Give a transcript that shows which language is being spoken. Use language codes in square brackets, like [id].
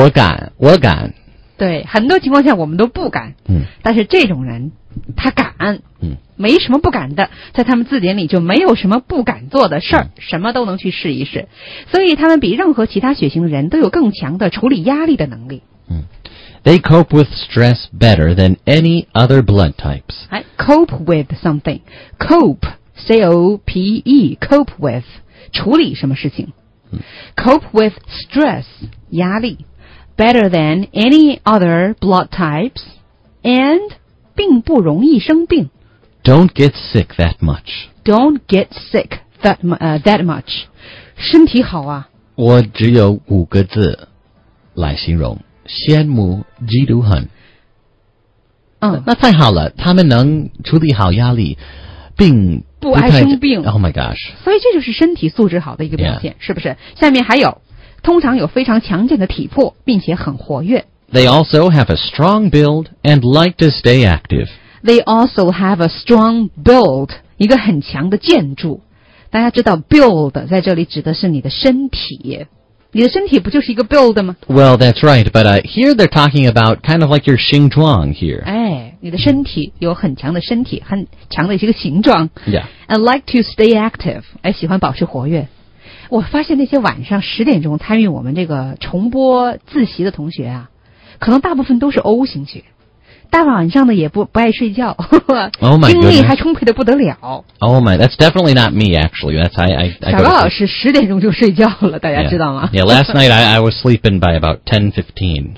[zh] 我敢对很多情况下我们都不敢、 mm. 但是这种人他敢、 mm. 没什么不敢的在他们字典里就没有什么不敢做的事儿， mm. 什么都能去试一试所以他们比任何其他血型的人都有更强的处理压力的能力 [en] They cope with stress better than any other blood types. Cope with something. Cope, C-O-P-E, cope with, [zh] 处理什么事情。 [en] Cope with stress, 压力, better than any other blood types, and [zh] 并不容易生病。 [en] Don't get sick that much. Don't get sick that,、that much. [zh] 身体好啊。我只有五个字来形容，羡慕嫉妒恨。嗯，那太好了，他们能处理好压力，并不爱生病。 [en] Oh my gosh. [zh] 所以这就是身体素质好的一个表现、 [en] yeah. [zh] 是不是？下面还有，通常有非常强健的体魄，并且很活跃。 [en] They also have a strong build and like to stay active. They also have a strong build, [zh] 一个很强的建筑。大家知道 build 在这里指的是你的身体。你的身体不就是一个 build 吗？ [en] Well, that's right, but here they're talking about kind of like your 形状 here. [zh] 哎，你的身体有很强的身体，很强的一个形状。 [en] Yeah. And like to stay active, 哎， [zh] 喜欢保持活跃。我发现那些晚上十点钟参与我们这个重播自习的同学啊，可能大部分都是 O 型血，大晚上的也不爱睡觉，呵呵、 oh、精力还充沛的不得了。 [en] Oh my, that's definitely not me actually. That's I. [zh] 小高老师十点钟就睡觉了，大家知道吗 [en] ？Yeah, last night I was sleeping by about 10:15.